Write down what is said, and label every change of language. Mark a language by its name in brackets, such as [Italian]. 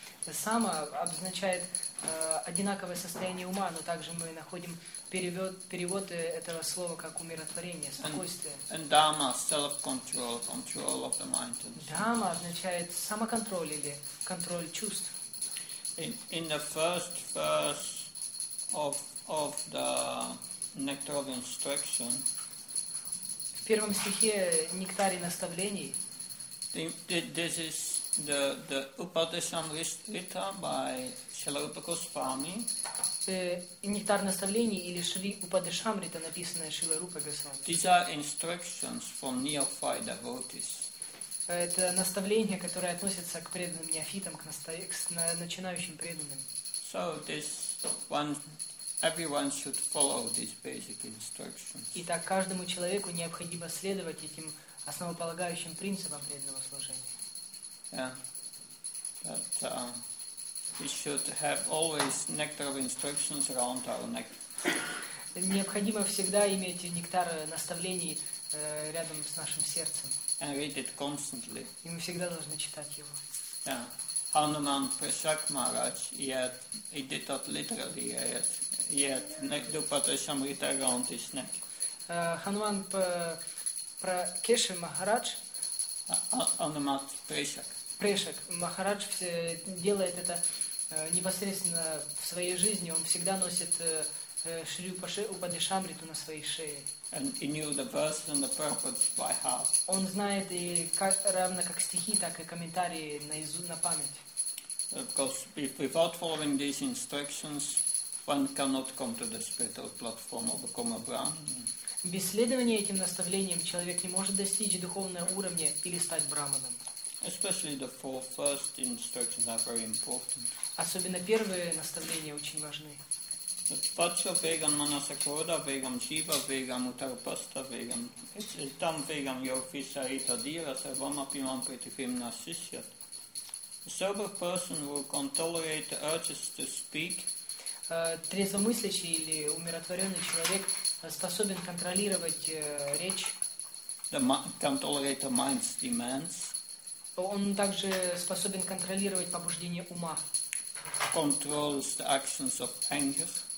[Russian] Sama обозначает одинаковое состояние ума, но также мы находим перевод этого слова как умиротворение, спокойствие. [English] And dhamma, self-control, control of the mind. [Russian] Dhamma означает самоконтроль или контроль чувств. [English] In the first verse of the Nectar of Instruction, [Russian] в первом стихе Нектарий наставлений, [English] this is the Upadeshamrita by Srila Rupa Goswami. [Russian] Нектар наставлений или Шри Упадешамрита, написанное Шрила Рупа Госвами. [English] These are instructions from neophyte devotees. [Russian] Это наставление, которое относится к преданным неофитам, к начинающим преданным. [English] So this one, everyone should follow these basic instructions. [Russian] Итак, каждому человеку необходимо следовать этим основополагающим принципам преданного служения. [English] Yeah. But we should have always nectar of instructions around our neck. [Russian] Необходимо всегда иметь нектар наставлений рядом с нашим сердцем. [English] And read it constantly. [Russian] И мы всегда должны читать его. [English] Yeah. Hanuman Prasak Maharaj, he did that literally, he had Dupadeshamrita around his neck. Hanuman Prakeshi Maharaj. Hanuman Prasak. [Russian] Прешак. Махарадж делает это непосредственно в своей жизни. Он всегда носит Шри Упадешамриту на своей шее. [English] And he knew the verses and the purports by heart. [Russian] Он знает и как, равно как стихи, так и комментарии на память. [English] Because if without following these instructions, one cannot come to the spiritual platform of Koma Brahman. [Russian] Без следования этим наставлениям человек не может достичь духовного уровня или стать браманом. [English] Especially the four first instructions are very important. [Russian] Особенно первые наставления очень важны. Pacha vegan manasakoda vegan jiva vegan utarpasta vegan tam vegan yogisa itadira sarvam apimam pritifim nasisyat. [English] A sober person will tolerate the urges to speak. [Russian] Трезвомыслящий или умиротворенный человек способен контролировать речь. [English] Controlling the mind's demands. [Russian] Он также способен контролировать побуждение ума. [English] Controls the actions of anger.